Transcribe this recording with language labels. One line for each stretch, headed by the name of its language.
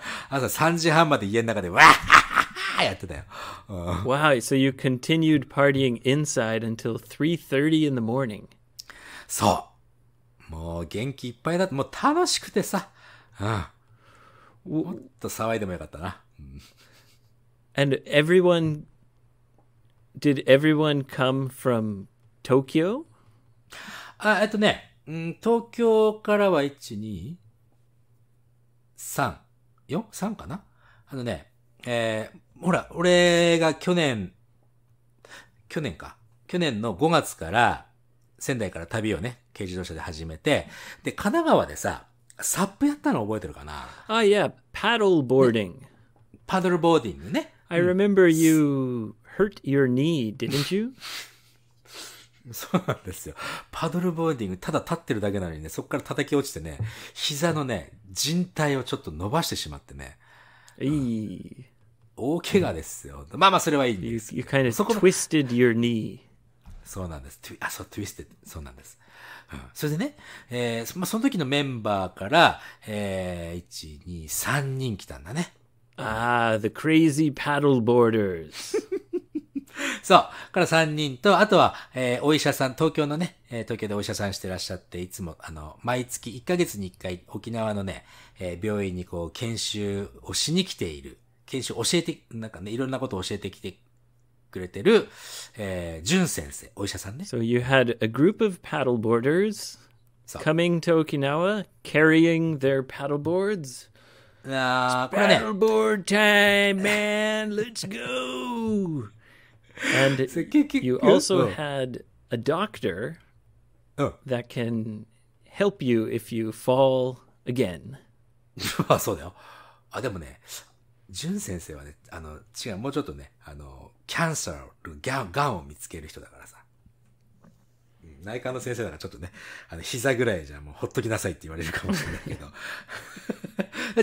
Japanese: 朝3時半まで家の中でわーやってたよ。
English: Wow, so you continued partying inside until 3:30 in the morning.
Japanese: そう。もう元気いっぱいだって、もう楽しくてさ。うん、もっと騒いでもよかったな。
English: And everyone, did everyone come from Tokyo?
Japanese: あ、ね、東京からは1、2、3、4、3かな。あのね、ほら、俺が去年の5月から仙台から旅をね、軽自動車で始めて、で、神奈川でさ、サップやったの覚えてるかな？
English: Ah, yeah, paddle boarding.
Japanese: Paddle boarding ね。
English: I remember you hurt your knee, didn't you?
Japanese: そうなんですよ。パドルボーディング、ただ立ってるだけなのにね、そこから叩き落ちてね、膝のね、靭帯をちょっと伸ばしてしまってね。いい。大怪我ですよ。まあまあ、それはいいんです。
English: You kind of twisted your knee.
Japanese: そうなんです。あ、そう、twisted。そうなんです。うん、それでね、まあ、その時のメンバーから、1,2,3 人来たんだね。
English: ああ、the crazy paddle boarders.
Japanese: そう。から3人と、あとは、お医者さん、東京のね、東京でお医者さんしてらっしゃって、いつも、毎月1ヶ月に1回、沖縄のね、病院にこう、研修をしに来ている。研修教えて、なんかね、いろんなことを教えてきて、くれてる、純先生、お医者さんね。
English: So you had a group of paddleboarders coming to Okinawa, carrying their paddleboards. Paddleboard time, man, let's go! And you also had a doctor that can help you if you fall again.
Japanese: あ、そうだよ。あ、でもね、純先生はね、違う、もうちょっとね、キャンセル、ガンを見つける人だからさ。内科の先生だからちょっとね、膝ぐらいじゃもうほっときなさいって言われるかもしれないけど。